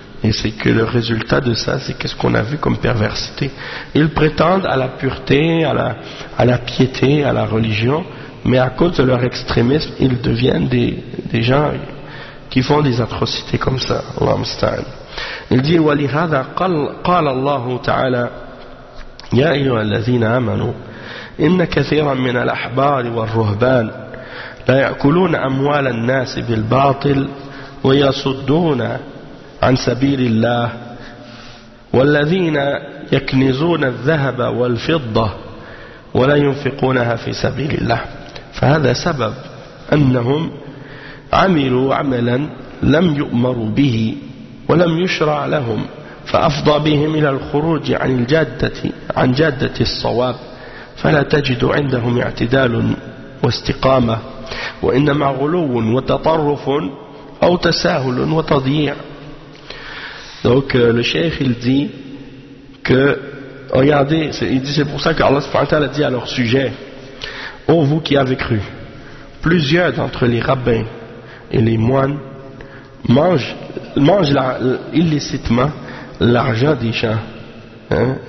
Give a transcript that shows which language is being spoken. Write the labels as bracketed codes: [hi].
[fr] Et c'est que le résultat de ça, c'est qu'est-ce qu'on a vu comme perversité. Ils prétendent à la pureté, à la piété, à la religion, mais à cause de leur extrémisme, ils deviennent des gens qui font des atrocités comme ça, Allah musta'an. Il dit [ar] « وَلِهَذَا قَالَ اللَّهُ تَعَالَى يَا أَيُّهَا الَّذِينَ آمَنُوا إِنَّ كَثِيرًا مِنَ الْأَحْبَارِ وَالرُّهْبَانِ لَيَأْكُلُونَ أَمْوَالَ النَّاسِ بِالْبَاطِلِ وَيَصُدُّونَ عَنْ سَبِيلِ اللَّهِ وَالَّذِينَ يَكْنِزُونَ الذَّهَبَ وَالْفِضَّةِ وَلَا يُنْفِقُونَهَا فِي سَبِيلِ اللَّهِ فهذا سبب أنهم عملوا عملا لم يؤمروا به ولم يشرع لهم فأفضى بهم إلى الخروج عن جادة الصواب فلا تجد عندهم اعتدال واستقامة وإنما غلو وتطرف أو تساهل وتضييع. [fr] Donc le cheikh il dit que regardez, il dit c'est pour ça que Allah subhanahu wa ta'ala dit à leur sujet: ô vous qui avez cru, plusieurs d'entre les rabbins et les moines mangent illicitement l'argent des gens. Hein?